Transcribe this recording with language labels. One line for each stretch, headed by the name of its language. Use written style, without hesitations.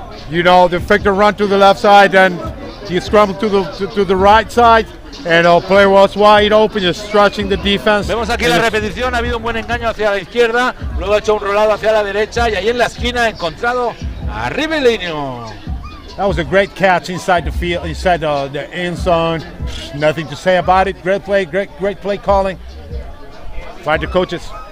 English: You know, the Victor run to the left side and he scrambled to the right side and the play was wide open, just stretching the defense.
Spanish: Vemos aquí la repetición, ha habido un buen engaño hacia la izquierda, luego ha hecho un rolado hacia la derecha y ahí en la esquina ha encontrado a Rivellino.
English: That was a great catch inside the field, inside the end zone. Nothing to say about it. Great play, great play calling by the coaches.